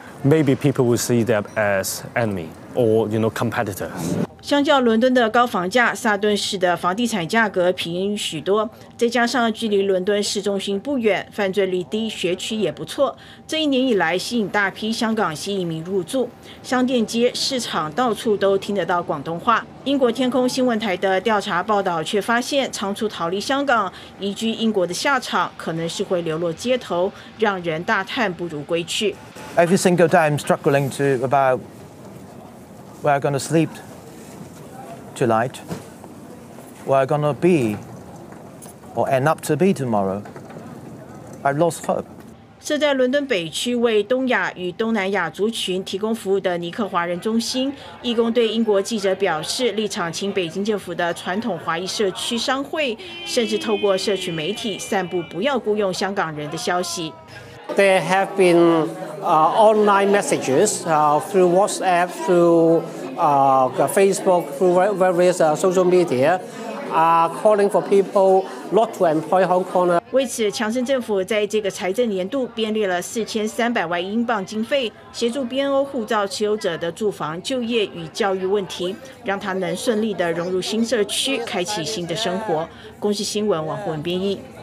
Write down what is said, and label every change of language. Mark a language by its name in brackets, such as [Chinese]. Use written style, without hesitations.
[English] Maybe people would see them as enemy or you know competitors. [Chinese] 相较伦敦的高房价，萨顿市的房地产价格便宜许多，再加上距离伦敦市中心不远，犯罪率低，学区也不错，这一年以来吸引大批香港新移民入住。商店街、市场到处都听得到广东话。英国天空新闻台的调查报道却发现，仓促逃离香港移居英国的下场可能是会流落街头，让人大叹不如归去。 [English] Every single day I'm struggling to about where I'm going to sleepTonight, where I'm gonna be or end up to be tomorrow, I've lost hope. [Chinese] 设在伦敦北区为东亚与东南亚族群提供服务的尼克华人中心，义工对英国记者表示，立场亲北京政府的传统华裔社区商会，甚至透过社区媒体散布不要雇佣香港人的消息。 [English] There have been online messages through WhatsApp, throughFacebook, through various social media, calling for people not to employ Hong Kong. [Chinese] 为此，强生政府在这个财政年度编列了4300万英镑经费，协助 BNO 护照持有者的住房、就业与教育问题，让他能顺利的融入新社区，开启新的生活。公视新闻王文编译。